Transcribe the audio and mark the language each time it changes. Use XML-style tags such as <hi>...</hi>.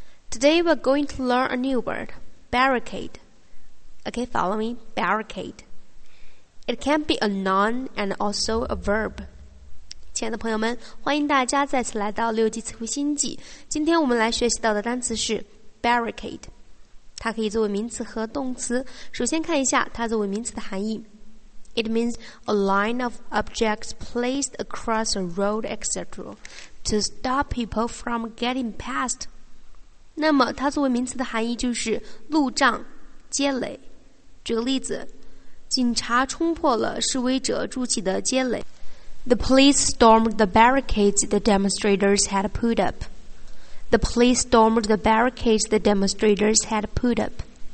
<en>Today we're going to learn a new word, barricade. Okay, follow me, barricade. It can be a noun and also a verb.</en> <zh>亲爱的朋友们，欢迎大家再次来到六级词汇星际。今天我们来学习到的单词是 barricade， 它可以作为名词和动词。首先看一下它作为名词的含义。</zh> <en>It means a line of objects placed across a road, etc. to stop people from getting past.</en> <zh>那么它作为名词的含义就是路障、街垒。举个例子，警察冲破了示威者筑起的街垒。</zh> <en>The police stormed the barricades the demonstrators had put up. The police stormed the barricades the demonstrators had put up.</en>